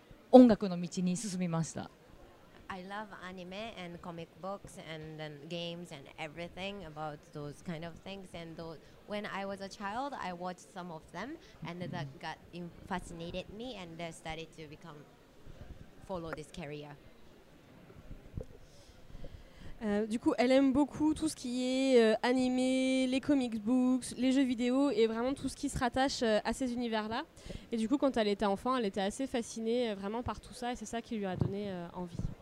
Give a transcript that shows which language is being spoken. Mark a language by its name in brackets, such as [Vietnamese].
[Japanese] 私は日本のあのアニメとか漫画とかゲームが大好きで、本当に子供の頃に見たアニメソングに魅了されて、そこから音楽の道に進みました。 [English] I love anime and comic books and then games and everything about those kind of things. And when I was a child, I watched some of them and that got fascinated me and then started to become follow this career. [French] Du coup, elle aime beaucoup tout ce qui est animé, les comic books, les jeux vidéo et vraiment tout ce qui se rattache à ces univers-là. Et du coup, quand elle était enfant, elle était assez fascinée vraiment par tout ça et c'est ça qui lui a donné envie.